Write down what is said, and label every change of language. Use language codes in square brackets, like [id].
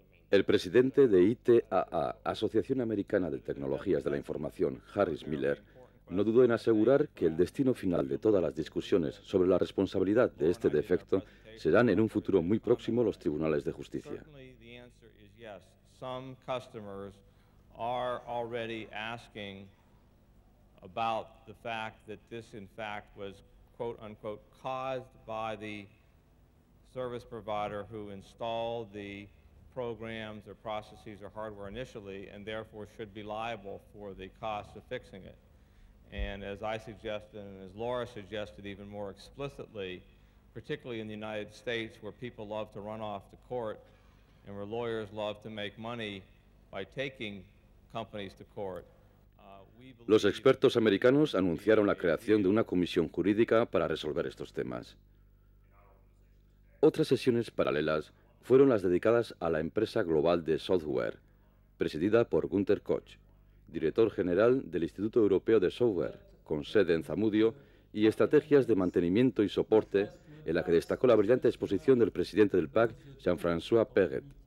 [es] El presidente de ITAA, Asociación Americana de Tecnologías de la Información, Harris Miller, no dudó en asegurar que el destino final de todas las discusiones sobre la responsabilidad de este defecto serán en un futuro muy próximo los tribunales de justicia. [en] Programs or processes or hardware initially, and therefore should be liable for the cost of fixing it. And as I suggested, and as Laura suggested even more explicitly, particularly in the United States where people love to run off to court and where lawyers love to make money by taking companies to court. [es] Los expertos americanos anunciaron la creación de una comisión jurídica para resolver estos temas. Otras sesiones paralelas fueron las dedicadas a la empresa global de software, presidida por Günter Koch, director general del Instituto Europeo de Software, con sede en Zamudio, y estrategias de mantenimiento y soporte, en la que destacó la brillante exposición del presidente del PAC, Jean-François Peguet.